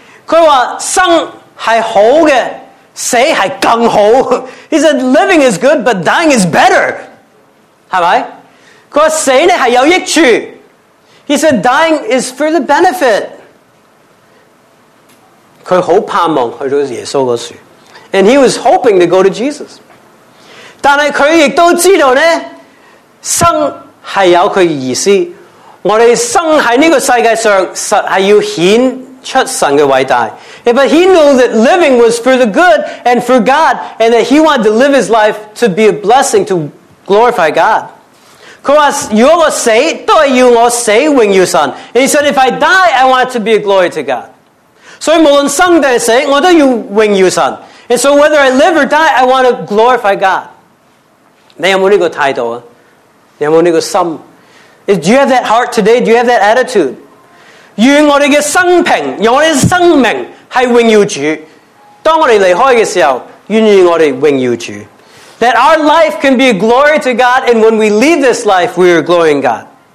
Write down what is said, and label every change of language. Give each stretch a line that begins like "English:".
Chinese: 他说生 是好的,死是更好。
English: He said, living is good, but dying is better.
Chinese: 是吧? 他说死是有益处。
English: He said, dying is for the benefit.
Chinese: 他很盼望去到耶稣那处。
English: And he was hoping to go to Jesus.
Chinese: 但是他也知道呢, 生是有他的意思, 我们生在这个世界上, 是要显,
English: but he knew that living was for the good and for God and that he wanted to live his life to be a blessing to glorify God. And he said, if I die, I want it to be a glory to God. And so whether I live or die, I want to glorify God. Do you have that heart today? Do you have that attitude?
Chinese: 愿我们的生命是荣耀主，当我们离开的时候，愿意我们荣耀主。
English: That our life can be a glory to God, and when we leave this life, we are glorying God.